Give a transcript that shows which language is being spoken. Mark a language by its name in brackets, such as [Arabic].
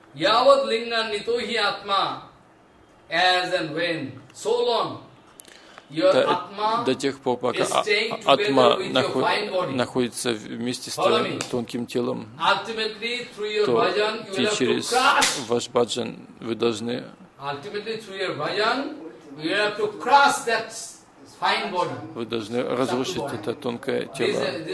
[Sanskrit] Yavad lingna nitohi atma, [English] as and when, so long, your atma is staying together with your fine body. [Russian] Находится вместе с твоим тонким телом. [English] Ultimately, through your bhajan, you will have to crush. [Russian] Ваш баджан, вы должны. [English] Ultimately, through your bhajan, you will have to crush that. [Russian] Вы должны разрушить это тонкое тело.